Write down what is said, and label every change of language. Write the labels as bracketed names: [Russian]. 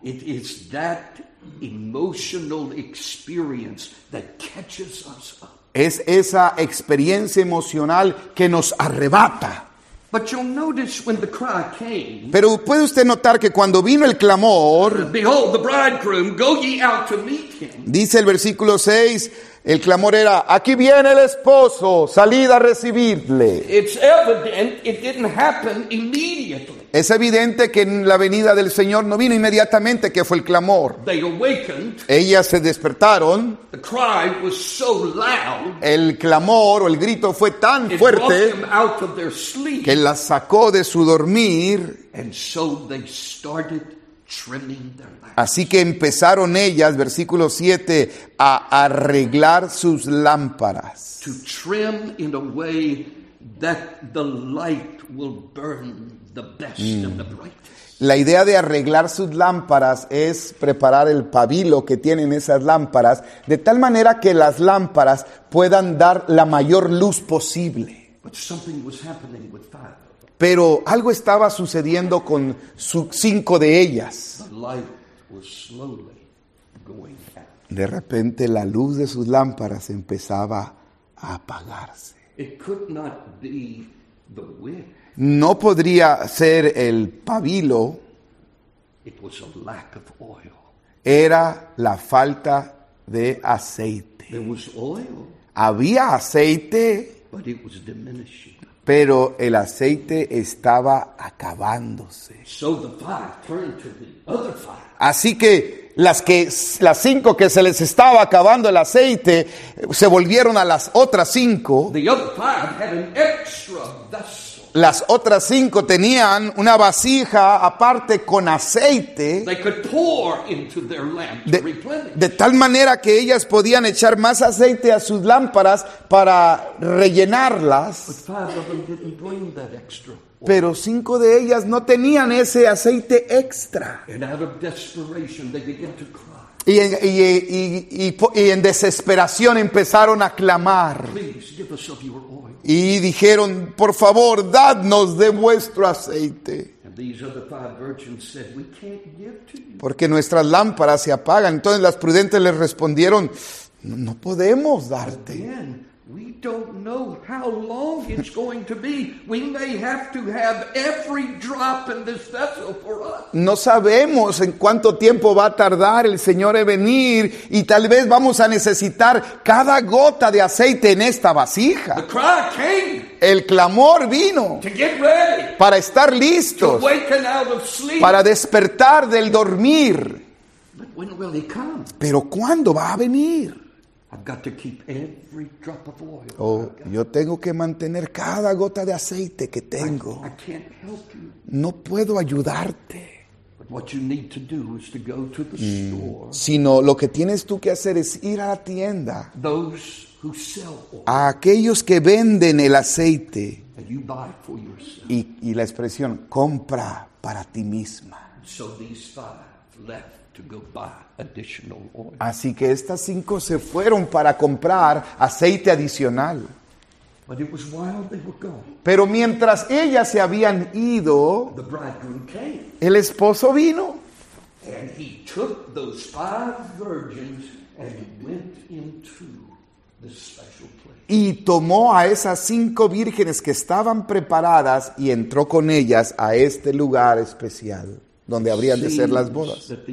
[English] It is that emotional experience that catches us up. [Spanish] Es esa experiencia emocional que nos arrebata. [English] But you'll notice when the cry came. [Spanish] Pero puede usted notar que cuando vino el clamor. [English] Behold the bridegroom, go ye out to meet him. [Spanish] Dice el versículo 6, el clamor era, aquí viene el esposo, salid a recibirle. [English] It's evident it didn't happen immediately. [Spanish] Es evidente que en la venida del Señor no vino inmediatamente, que fue el clamor. [English] They awakened. [Spanish] Ellas se despertaron. [English] The cry was so loud. [Spanish] El clamor o el grito fue tan fuerte. [English] It brought them out of their sleep. [Spanish] Que las sacó de su dormir. [English] And so they started trimming their lamps. [Spanish] Así que empezaron ellas, versículo 7, a arreglar sus lámparas. [English] To trim in a way that the light will burn the best mm. and the brightest. [Spanish] La idea de arreglar sus lámparas es preparar el pabilo que tienen esas lámparas de tal manera que las lámparas puedan dar la mayor luz posible. [English] But something was happening with five. [Spanish] Pero algo estaba sucediendo con sus cinco de ellas. [English] The light was slowly going out. [Spanish] De repente la luz de sus lámparas empezaba a apagarse. [English] It could not be the wick. [Spanish] No podría ser el pabilo. [English] It was a lack of oil. [Spanish] Era la falta de aceite. [English] There was oil. [Spanish] Había aceite. [English] But it was diminishing. [Spanish] Pero el aceite estaba acabándose. [English] So the fire turned to the other fire. [Spanish] Así que las cinco que se les estaba acabando el aceite se volvieron a las otras cinco. [English] The other fire had an extra vessel. [Spanish] Las otras cinco tenían una vasija aparte con aceite. [English] They could pour into their lamp to replenish. [Spanish] De tal manera que ellas podían echar más aceite a sus lámparas para rellenarlas. [English] But five of them didn't bring that extra oil. [Spanish] Pero cinco de ellas no tenían ese aceite extra. [English] And out of desperation, they began to cry. [Spanish] Y en desesperación empezaron a clamar. [English] Please, give us of your oil. [Spanish] Y dijeron, por favor, dadnos de vuestro aceite. [English] And these other five virgins said, we can't give to you. [Spanish] Porque nuestras lámparas se apagan. Entonces las prudentes les respondieron, no podemos darte. [English] Again, we don't know how long it's going to be. We may have to have every drop in this vessel for us. [Spanish] No sabemos en cuánto tiempo va a tardar el Señor en venir y tal vez vamos a necesitar cada gota de aceite en esta vasija. [English] The cry came. [Spanish] El clamor vino. [English] To get ready. [Spanish] Para estar listos. [English] To waken out of sleep. [Spanish] Para despertar del dormir. [English] But when will he come? [Spanish] Pero ¿cuándo va a venir? [English] I've got to keep every drop of oil. [Spanish] Oh, yo tengo que mantener cada gota de aceite que tengo. [English] I can't help you. [Spanish] No puedo ayudarte. [English] But what you need to do is to go to the store. [Spanish] Sino lo que tienes tú que hacer es ir a la tienda. [English] Those who sell oil. [Spanish] A aquellos que venden el aceite. [English] And you buy for yourself. [Spanish] Y la expresión compra para ti misma. [English] So these five left. To go buy additional oil. [Spanish] Así que estas cinco se fueron para comprar aceite adicional. [English] But it was while they were gone. [Spanish] Pero mientras ellas se habían ido, [English] the bridegroom came. [Spanish] El esposo vino. [English] And he took those five virgins and went into this special place. [Spanish] Y tomó a esas cinco vírgenes que estaban preparadas y entró con ellas a este lugar especial. Donde habrían de ser las bodas.